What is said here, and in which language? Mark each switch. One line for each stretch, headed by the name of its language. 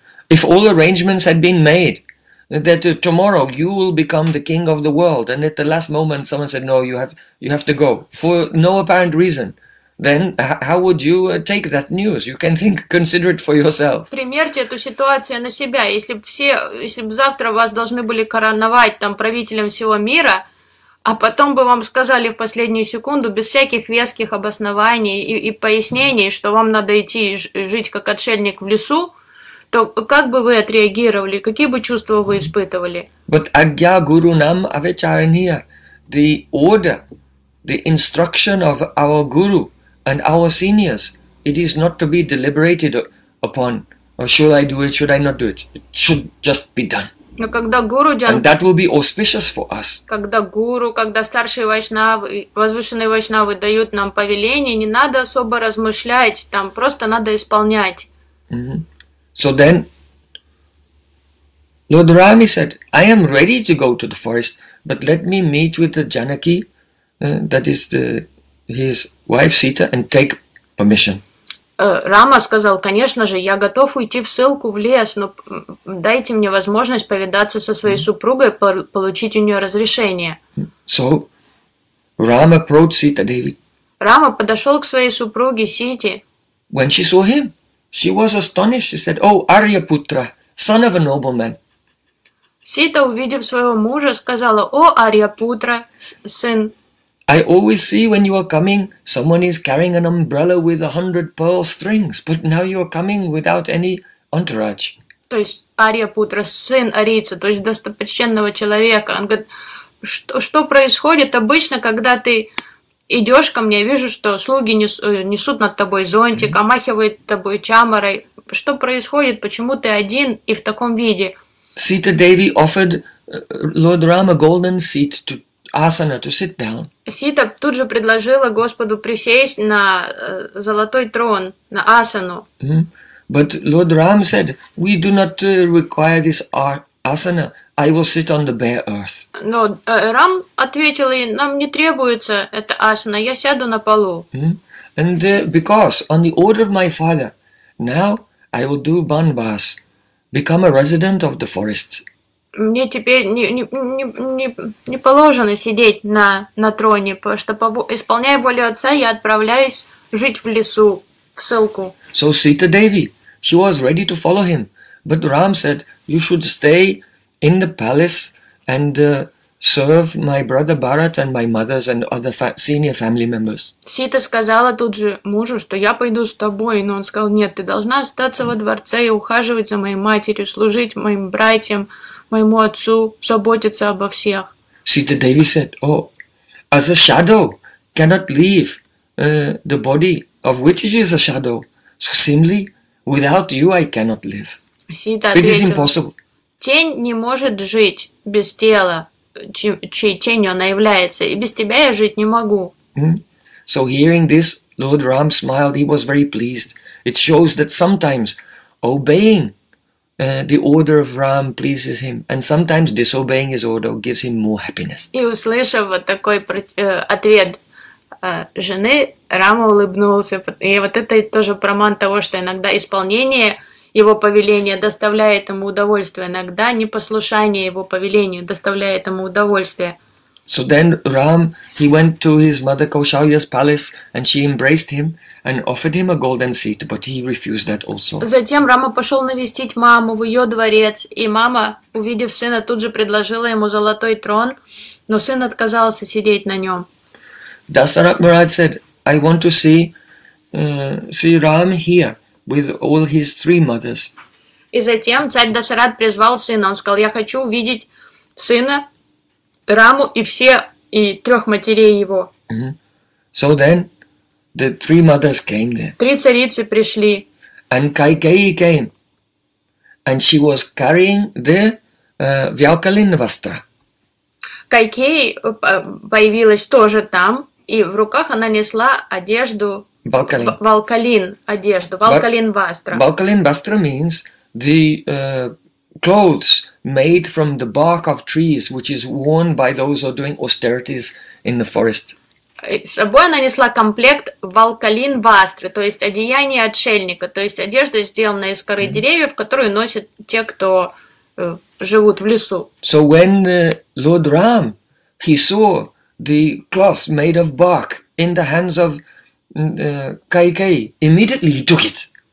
English: If all arrangements had been made, that tomorrow you will become the king of the world, and at the last moment someone said, no, you have to go, for no apparent reason, then how would you take that news? You can think, consider it for yourself.
Russian: Примерьте эту ситуацию на себя. Если бы завтра вас должны были короновать там правителем всего мира, а потом бы вам сказали в последнюю секунду, без всяких веских обоснований и пояснений, что вам надо идти жить как отшельник в лесу, то как бы вы отреагировали, какие бы чувства вы испытывали?
English: But
Sanskrit: agya guru nam avicharaniya,
English: the order, the instruction of our guru and our seniors, it is not to be deliberated upon, or should I do it, should I not do it, it should just be done.
Russian: Но когда гуру джан,
English: and that will be auspicious for us.
Russian: Когда гуру, когда старшие вайшнавы, возвышенные вайшнавы дают нам повеление, не надо особо размышлять, там просто надо исполнять.
English: Mm-hmm. So then, Lord Rami said, I am ready to go to the forest, but let me meet with the Janaki, that is the his wife Sita, and take permission.
Russian: Рама сказал, конечно же, я готов уйти в ссылку в лес, но дайте мне возможность повидаться со своей супругой, получить у нее разрешение.
English: So, Rama approached Sita Devi.
Russian: Рама подошел к своей супруге Сите.
English: When she saw him, she was astonished. She said, oh, Aryaputra, son of a nobleman.
Russian: Сита, увидев своего мужа, сказала, о, Аряпутра, сын.
English: I always see when you are coming, someone is carrying an umbrella with 100 pearl strings, but now you are coming without any entourage.
Russian: То есть Аряпутра, сын Арийца, то есть достопочтенного человека. Он говорит, что происходит обычно, когда ты идешь ко мне, вижу, что слуги несут над тобой зонтик, омахивают тобой чамарой. Что происходит, почему ты один и в таком виде?
English: Sita Devi offered Lord Rama a golden seat to asana to sit down.
Russian: Сита тут же предложила Господу присесть на золотой трон, на асану. Mm-hmm.
English: But Lord Rama said, we do not require this asana, I will sit on the bare earth.
Russian: Но Рам ответил ей, нам не требуется эта асана, я сяду на полу. Mm-hmm.
English: And because on the order of my father, now I will do banbas. Become a resident of the forest.
Russian: Мне теперь не положено сидеть на троне, потому что исполняя волю отца, я отправляюсь жить в лесу, в ссылку.
English: So Sita Devi, she was ready to follow him, but Ram said, you should stay in the palace and serve my brother Bharat and my mothers and other senior family members.
Russian: Сита сказала тут же мужу, что я пойду с тобой, но он сказал, нет, ты должна остаться во дворце и ухаживать за моей матерью, служить моим братьям, моему отцу, заботиться обо всех.
English: Sita Devi said, oh, as a shadow cannot leave the body of which it is a shadow, so simply without you I cannot live.
Russian: Сита ответила,
English: it is impossible.
Russian: Тень не может жить без тела. Чьей тенью она является, и без тебя я жить не могу. Mm-hmm.
English: So hearing this, Lord Ram smiled, he was very pleased. It shows that sometimes obeying the order of Ram pleases him, and sometimes disobeying his order gives him more happiness.
Russian: И услышав вот такой ответ жены, Рама улыбнулся. И вот это тоже проман того, что иногда исполнение его повеление доставляет ему удовольствие, иногда непослушание его повелению доставляет ему удовольствие.
English: So then Ram, he went to his mother Kaushalya's palace, and she embraced him and offered him a golden seat, but he refused that also.
Russian: Затем Рама пошел навестить маму в ее дворец, и мама, увидев сына, тут же предложила ему золотой трон, но сын отказался сидеть на нем.
English: Dasarath Maharaj said, I want to see Ram here with all his three mothers.
Russian: И затем царь Дасарат призвал сына. Он сказал, я хочу увидеть сына, Раму и все, и трех матерей его.
English: Mm-hmm. So then, the three mothers came there.
Russian: Три царицы пришли.
English: And Kaikeyi came. And she was carrying the Vyalkalin Vastra.
Russian: Кайкеи появилась тоже там, и в руках она несла одежду Vyalkalin Vastra.
English: Vyalkalin Vastra means the clothes made from the bark of trees, which is worn by those who are doing austerities in the forest.
Russian: С собой она несла комплект Vyalkalin Vastra, то есть одеяние отшельника, то есть одежда, сделанная из коры деревьев, которую носят те, кто живут в лесу.
English: So when Lord Ram, he saw the cloth made of bark in the hands of Kaikeyi, immediately he took it.